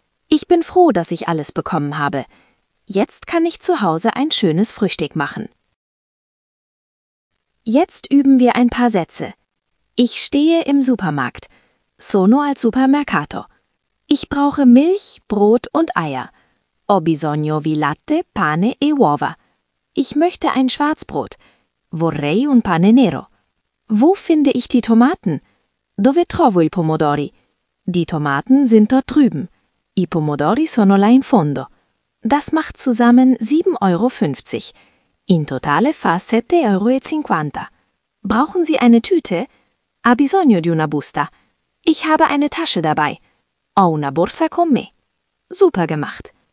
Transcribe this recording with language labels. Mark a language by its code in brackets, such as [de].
[de] Ich bin froh, dass ich alles bekommen habe. Jetzt kann ich zu Hause ein schönes Frühstück machen. Jetzt üben wir ein paar Sätze. Ich stehe im Supermarkt. [it] Sono al supermercato. [de] Ich brauche Milch, Brot und Eier. [it] Ho bisogno di latte, pane e uova. [de] Ich möchte ein Schwarzbrot. [it] Vorrei un pane nero. [de] Wo finde ich die Tomaten? [it] Dove trovo il pomodori? [de] Die Tomaten sind dort drüben. [it] I pomodori sono là in fondo. [de] Das macht zusammen 7,50 Euro. [it] In totale fa 7,50 Euro. [de] Brauchen Sie eine Tüte? [it] Ha bisogno di una busta. [de] Ich habe eine Tasche dabei. [it] Ho una borsa con me. [de] Super gemacht.